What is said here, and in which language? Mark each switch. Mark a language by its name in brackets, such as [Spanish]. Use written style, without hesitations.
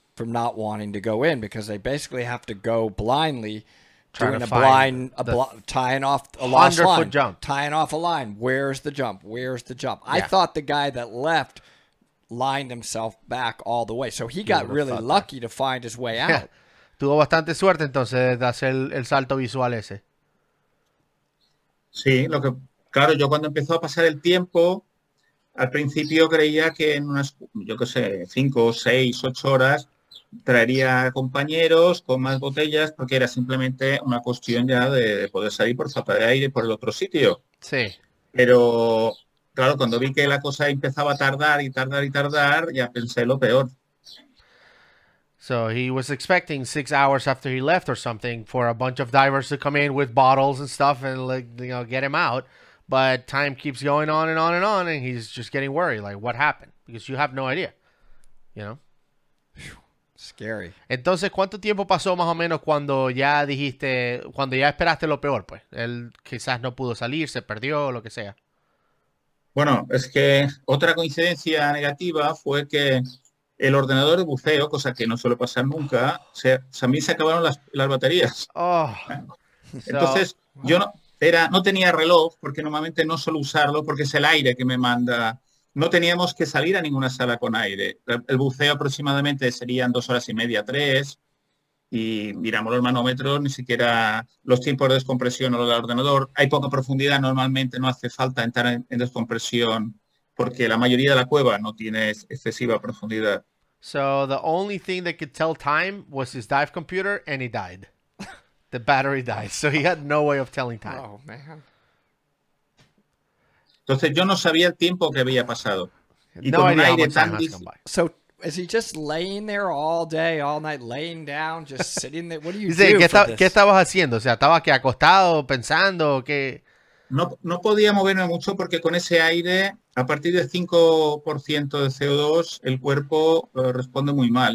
[English] from not wanting to go in because they basically have to go blindly tying off a lost line. 100-foot jump. Tying off a line. Where's the jump? Where's the jump? Yeah. I thought the guy that left... lined himself back all the way. So he got really lucky to find his way out. [Spanish] Tuvo bastante suerte entonces de hacer el salto visual ese. Sí, yo cuando empezó a pasar el tiempo, al principio creía que en unas, 5, 6, 8 horas, traería compañeros con más botellas porque era simplemente una cuestión ya de poder salir por falta de aire por el otro sitio. Sí. Pero, claro, cuando vi que la cosa empezaba a tardar y tardar y tardar, ya pensé lo peor. [English] So he was expecting 6 hours after he left or something for a bunch of divers to come in with bottles and stuff and, like, you know, get him out. But time keeps going on and on and on, and he's just getting worried. Like, what happened? Because you have no idea, you know? Scary. [Spanish] Entonces, ¿cuánto tiempo pasó más o menos cuando ya dijiste, cuando ya esperaste lo peor, pues? Él quizás no pudo salir, se perdió, lo que sea. Bueno, es que otra coincidencia negativa fue que el ordenador de buceo, cosa que no suele pasar nunca, a mí se acabaron las baterías. Oh. Entonces, yo no tenía reloj, porque normalmente no suelo usarlo, porque es el aire que me manda. No teníamos que salir a ninguna sala con aire. El buceo aproximadamente serían 2 horas y media, 3. Y miramos los manómetros, ni siquiera los tiempos de descompresión o lo del ordenador. Hay poca profundidad, normalmente no hace falta entrar en descompresión porque la mayoría de la cueva no tiene excesiva profundidad. [English] So the only thing that could tell time was his dive computer, and he died. The battery died, so he had no way of telling time. Oh, man. [Spanish] Entonces yo no sabía el tiempo que había pasado. Y no, con un aire tan [English] So is he just laying there all day, all night, laying down, just sitting there? What do you [Spanish] ¿Qué estabas haciendo? O sea, ¿estabas que acostado, pensando, o qué? No, no podía moverme mucho porque con ese aire, a partir de 5% de CO2, el cuerpo responde muy mal.